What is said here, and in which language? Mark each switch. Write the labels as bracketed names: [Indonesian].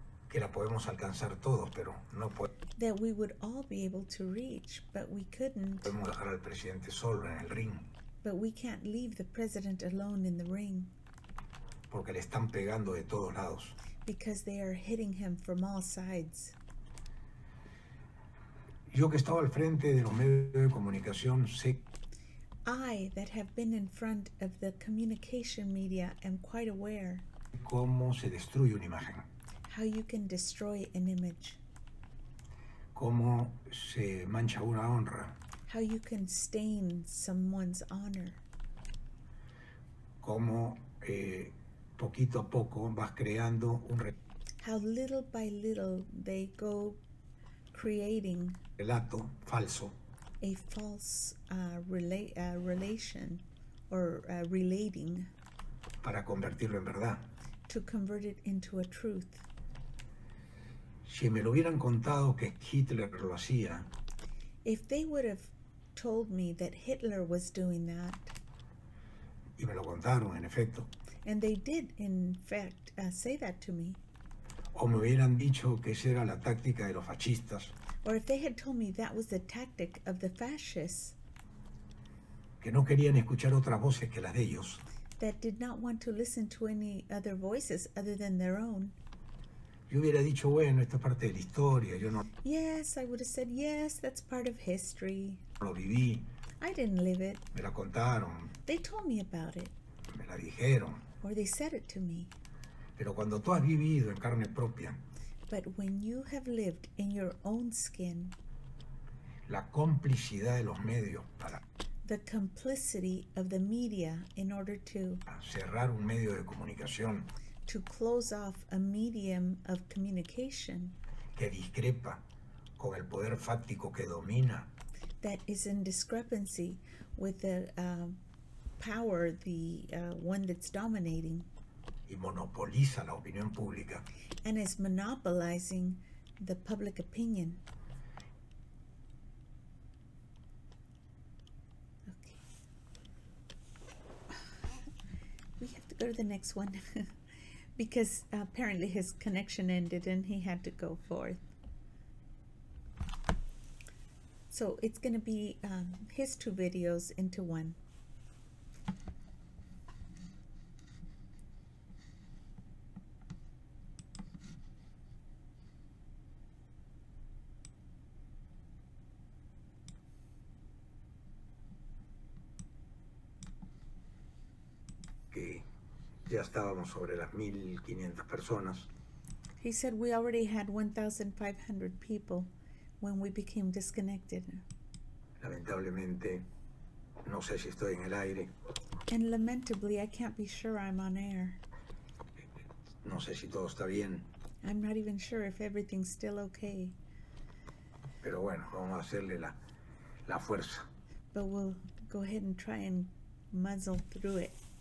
[Spanish] Que la podemos alcanzar todos, pero no podemos. [English] That we would all be able to reach, but we couldn't. [Spanish] Podemos dejar al presidente solo en el ring. [English] But we can't leave the president alone in the ring. [Spanish] Porque le están pegando de todos lados. [English] Because they are hitting him from all sides. [Spanish] Yo que estaba al frente de los medios de comunicación sé. [English] I that have been in front of the communication media am quite aware. [Spanish] Cómo se destruye una imagen. [English] How you can destroy an image. [Spanish] Cómo se mancha una honra. [English] How you can stain someone's honor. [Spanish] Cómo poquito a poco vas creando un [English] how little by little they go creating [Spanish] relato falso. [English] A false relation or relating [Spanish] para convertirlo en verdad. [English] To convert it into a truth. [Spanish] Si me lo hubieran contado que Hitler lo hacía. [English] If they would have told me that Hitler was doing that. [Spanish] Y me lo contaron, en efecto. [English] And they did, in fact, say that to me. [Spanish] O me hubieran dicho que esa era la táctica de los fascistas. [English] Or if they had told me that was the tactic of the fascists. [Spanish] Que no querían escuchar otras voces que las de ellos. [English] That did not want to listen to any other voices other than their own. [Spanish] Yo hubiera dicho, bueno, esta parte de la historia, yo no. [English] Yes, I would have said, yes, that's part of history. [Spanish] No lo viví. [English] I didn't live it. [Spanish] Me la contaron. [English] They told me about it. [Spanish] Me la dijeron. [English] Or they said it to me. [Spanish] Pero cuando tú has vivido en carne propia. [English] But when you have lived in your own skin. [Spanish] La complicidad de los medios para. [English] The complicity of the media in order to. [Spanish] Cerrar un medio de comunicación. [English] To close off a medium of communication. [Spanish] Que discrepa con el poder fáctico que domina. [English] That is in discrepancy with the power, the one that's dominating. [Spanish] Y monopoliza la opinión pública. [English] And is monopolizing the public opinion. Okay. We have to go to the next one. Because apparently his connection ended and he had to go forth. So it's going to be his two videos into one. [Spanish] Ya estábamos sobre las 1500 personas. [English] He said we already had 1500 people when we became disconnected. [Spanish] Lamentablemente no sé si estoy en el aire. [English] And lamentably I can't be sure I'm on air. [Spanish] No sé si todo está bien. [English] I'm not even sure if everything's still okay. [Spanish] Pero bueno, vamos a hacerle la fuerza. [English] But we'll go ahead and try and muzzle through it.